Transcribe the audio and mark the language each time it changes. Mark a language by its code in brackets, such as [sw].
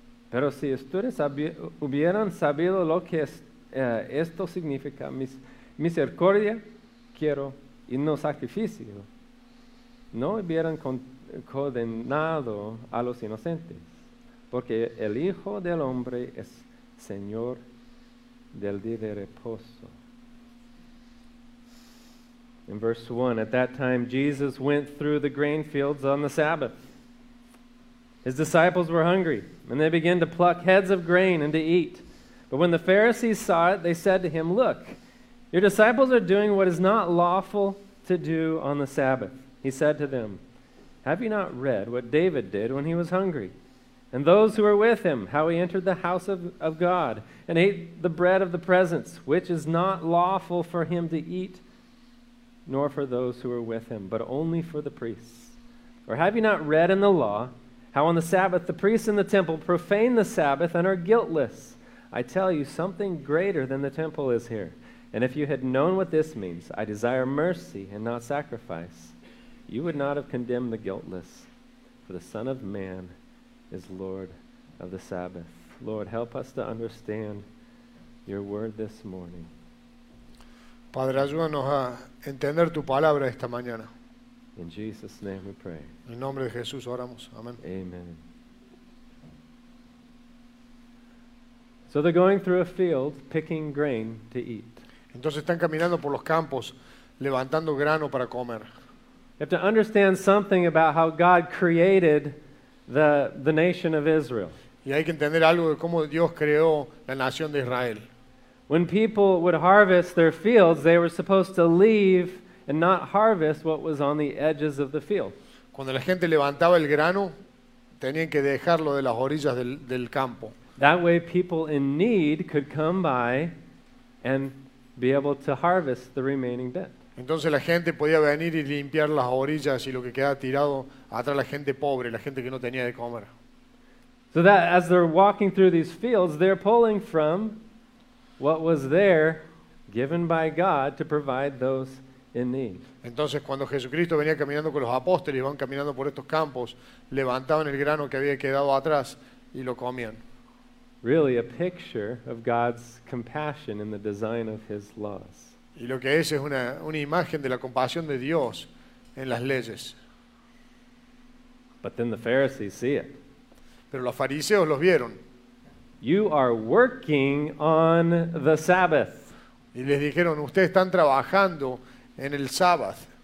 [es] Pero si ustedes hubieran sabido lo que esto significa, misericordia quiero y no sacrificio, no hubieran condenado a los inocentes, porque el Hijo del Hombre es Señor del día de reposo. [en] In verse 1, at that time Jesus went through the grain fields on the Sabbath. His disciples were hungry, and they began to pluck heads of grain and to eat. But when the Pharisees saw it, they said to him, look, your disciples are doing what is not lawful to do on the Sabbath. He said to them, have you not read what David did when he was hungry? And those who were with him, how he entered the house of God and ate the bread of the presence, which is not lawful for him to eat, nor for those who were with him, but only for the priests. Or have you not read in the law how on the Sabbath the priests in the temple profane the Sabbath and are guiltless? I tell you, something greater than the temple is here. And if you had known what this means, I desire mercy and not sacrifice, you would not have condemned the guiltless. For the Son of Man is Lord of the Sabbath. Lord, help us to understand your word this morning. [es] Padre, ayúdanos a entender tu palabra esta mañana. [en] In Jesus' name we pray. [es] En nombre de Jesús oramos. Amén. [en] Amen. So they're going through a field picking grain to eat. [es] Entonces están caminando por los campos levantando grano para comer. [en] You have to understand something about how God created the nation of Israel. [es] Y hay que entender algo de cómo Dios creó la nación de Israel. [en] When people would harvest their fields, they were supposed to leave and not harvest what was on the edges of the field. [es] Cuando la gente levantaba el grano, tenían que dejarlo de las orillas del campo. [en] That way people in need could come by and be able to harvest the remaining bit. [es] Entonces la gente podía venir y limpiar las orillas y lo que quedaba tirado atrás la gente pobre, la gente que no tenía de comer. [en] So that as they're walking through these fields, they're pulling from what was there given by God to provide those in need. [es] Entonces cuando Jesucristo venía caminando con los apóstoles y van caminando por estos campos, levantaban el grano que había quedado atrás y lo comían. [en] Really a picture of God's compassion in the design of his laws. [es] Y lo que es una imagen de la compasión de Dios en las leyes. [en] But then the Pharisees see it. [es] Pero los fariseos los vieron. [en] You are working on the Sabbath. [es] Y les dijeron, ustedes están trabajando en el Sabbath.